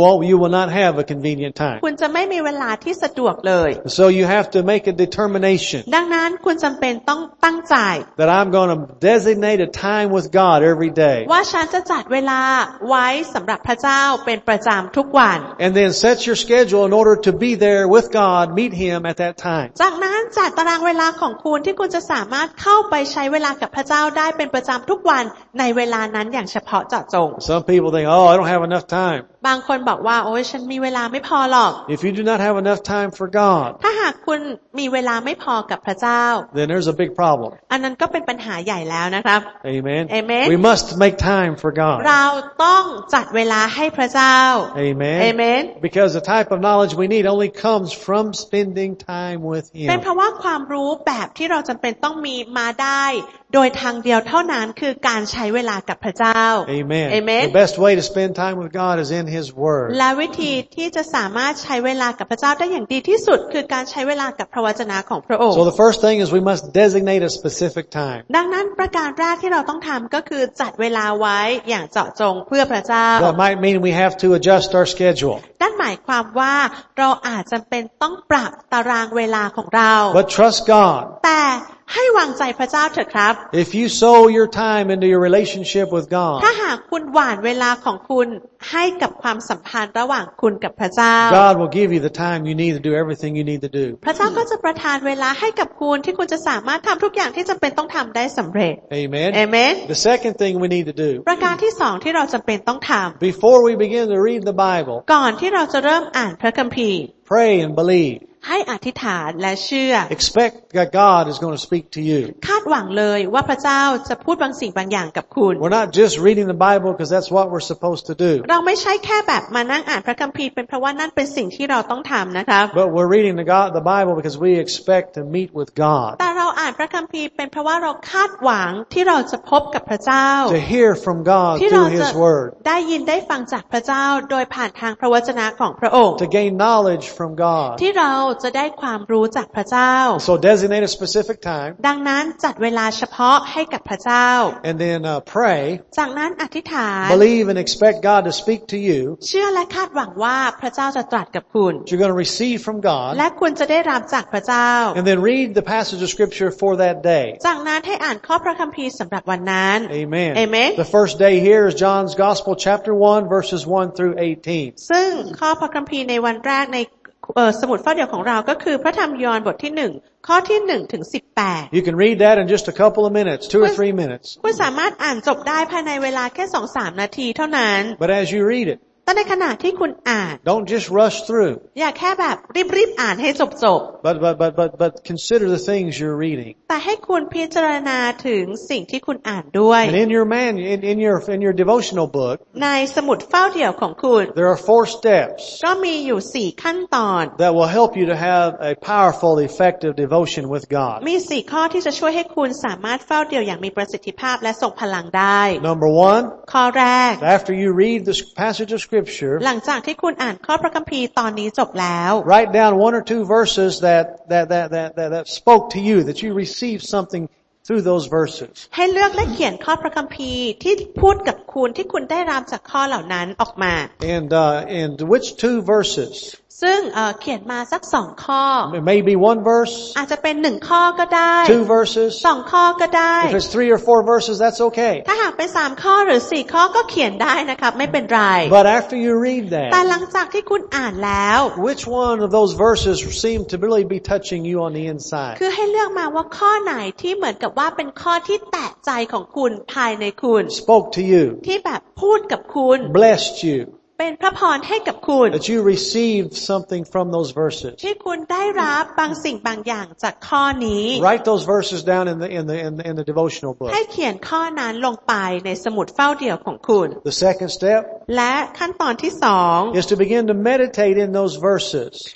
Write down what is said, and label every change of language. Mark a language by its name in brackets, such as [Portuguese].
[English] You will not have a convenient time [Thai] คุณจะไม่มีเวลาที่สะดวกเลย [English] So you have to make a determination [Thai] ดังนั้นคุณจําเป็นต้องตั้งใจ [English] That I'm going to designate a time with God every day [Thai] ว่าฉันจะจัดเวลาไว้สําหรับพระเจ้าเป็นประจําทุกวัน [English] And then set your schedule in order to be there with God meet him at [Thai] จากนั้นจัดตารางเวลาของคุณที่คุณจะสามารถเข้าไปใช้เวลากับพระเจ้าได้เป็นประจำทุกวันในเวลานั้นอย่างเฉพาะเจาะจง [English] Some people think, "Oh, I don't have enough time." [Thai] บางคนบอกว่าโอ้ยฉันมีเวลาไม่พอหรอก [English] If you do not have enough time for God, [Thai] ถ้าหากคุณมีเวลาไม่พอกับพระเจ้า [English] then there's a big problem. [Thai] อันนั้นก็เป็นปัญหาใหญ่แล้วนะครับ [English] Amen. Amen. We must make time for God. [Thai] เราต้องจัดเวลาให้พระเจ้า [English] Amen. Amen. Because the type of knowledge we need only comes from spending time. [Thai] เป็นเพราะว่าความรู้แบบที่เราจำเป็นต้องมีมาได้โดยทางเดียวเท่านั้นคือการใช้เวลากับพระเจ้า [English] Amen. Amen. The best way to spend time with God is in His Word. [Thai] และวิธีที่จะสามารถใช้เวลากับพระเจ้าได้อย่างดีที่สุดคือการใช้เวลากับพระวจนะของพระองค์ [English] So the first thing is we must designate a specific time. [Thai] ดังนั้นประการแรกที่เราต้องทำก็คือจัดเวลาไว้อย่างเจาะจงเพื่อพระเจ้า [English] That might mean we have to adjust our schedule. [Thai] นั่นหมายความว่าเราอาจจำเป็นต้องปรับตารางเวลาของเรา [English] But trust God. [Thai] แต่ให้วางใจพระเจ้าเถอะครับ [English] If you sow your time into your relationship with God. [Thai] ถ้าหากคุณหว่านเวลาของคุณให้กับความสัมพันธ์ระหว่างคุณกับพระเจ้า [English] God will give you the time you need to do everything you need to do. [Thai] พระเจ้าก็จะประทานเวลาให้กับคุณที่คุณจะสามารถทำทุกอย่างที่จำเป็นต้องทำได้สำเร็จ [English] Amen. Amen. The second thing we need to do. [Thai] ประการที่สองที่เราจำเป็นต้องทำ [English] Before we begin to read the Bible. [Thai] ก่อนที่เราจะเริ่มอ่านพระคัมภีร์ [English] Pray and believe. [Thai] ให้อธิษฐานและเชื่อ [English] Expect that God is going to speak to you [Thai] คาดหวังเลยว่าพระเจ้าจะพูดบางสิ่งบางอย่างกับคุณ [English] We're not just reading the Bible because that's what we're supposed to do [Thai] เราไม่ใช่แค่แบบมานั่งอ่านพระคัมภีร์เป็นเพราะว่านั่นเป็นสิ่งที่เราต้องทำนะครับ [English] But we're reading the Bible because we expect to meet with God [Thai] แต่เราอ่านพระคัมภีร์เป็นเพราะว่าเราคาดหวังที่เราจะพบกับพระเจ้า [English] To hear from God through His Word [Thai] ที่เราจะได้ยินได้ฟังจากพระเจ้าโดยผ่านทางพระวจนะของพระองค์ [English] To gain knowledge from God [Thai] ที่เราจะได้ความรู้จากพระเจ้า [English] So designate a specific time [Thai] ดังนั้นจัดเวลาเฉพาะให้กับพระเจ้า [English] And then pray [Thai] จากนั้นอธิษฐาน [English] Believe and expect God to speak to you [Thai] เชื่อและคาดหวังว่าพระเจ้าจะตรัสกับคุณ [English] You're going to receive from God [Thai] และคุณจะได้รับจากพระเจ้า [English] And then read the passage of scripture for that day [Thai] จากนั้นให้อ่านข้อพระคัมภีร์สำหรับวันนั้น [English] Amen Amen The first day here is John's Gospel chapter 1 verses 1 through 18 [Thai] ซึ่งข้อพระคัมภีร์ในวันแรกในสมุดฝ้าเดียวของเราก็คือพระธรรมยอห์นบทที่1ข้อที่1ถึง18 [English] You can read that in just a couple of minutes, 2 or 3 minutes. [Thai] คุณสามารถอ่านจบได้ภายในเวลาแค่ 2-3 นาทีเท่านั้น [English] But as you read it, [Thai] แต่ในขณะที่คุณอ่าน [English] Don't just rush through. [Thai] อย่าแค่แบบรีบๆอ่านให้จบ [English] ๆ But consider the things you're reading. [Thai] แต่ให้คุณพิจารณาถึงสิ่งที่คุณอ่านด้วย [English] And in your man in your devotional book, [Thai] ในสมุดเฝ้าเดี่ยวของคุณ [English] There are 4 steps. [Thai] ก็มีอยู่4ขั้นตอน [English] That will help you to have a powerful effective devotion with God. [Thai] มี4ข้อที่จะช่วยให้คุณสามารถเฝ้าเดี่ยวอย่างมีประสิทธิภาพและทรงพลังได้ [English] Number 1. [Thai] ข้อแรก [English] After you read the passage of scripture, [Thai] หลังจากที่คุณอ่านข้อพระคัมภีร์ตอนนี้จบแล้ว [English] Write down one or two verses that spoke to you that you received something through those verses [Thai] ให้เลือกและเขียนข้อพระคัมภีร์ที่พูดกับคุณที่คุณได้รับจากข้อเหล่านั้นออกมา [English] And which two verses [Thai] ซึ่งเขียนมาสัก2ข้อ [English] maybe one verse [Thai] อาจจะเป็น1ข้อก็ได้ [English] two verses [Thai] 2ข้อก็ได้ [English] if it's 3 or 4 verses that's okay [Thai] ถ้าหากเป็น3ข้อหรือ4ข้อก็เขียนได้นะครับไม่เป็นไร [English] but after you read that [Thai] แต่หลังจากที่คุณอ่านแล้ว [English] which one of those verses seem to really be touching you on the inside [Thai] คือให้เลือกมาว่าข้อไหนที่เหมือนกับว่าเป็นข้อที่แตะใจของคุณภายในคุณ [English] spoke to you [Thai] ที่แบบพูดกับคุณ [English] blessed you [Thai] เป็นพระพรให้กับคุณ [English] That you received something from those verses [Thai] ที่คุณได้รับบางสิ่งบางอย่างจากข้อนี้ [English] Write those verses down in the devotional book [Thai] ให้เขียนข้อนั้นลงไปในสมุดเฝ้าเดี่ยวของคุณ [English] The second step [Thai] และขั้นตอนที่2 [English] is to begin to meditate in those verses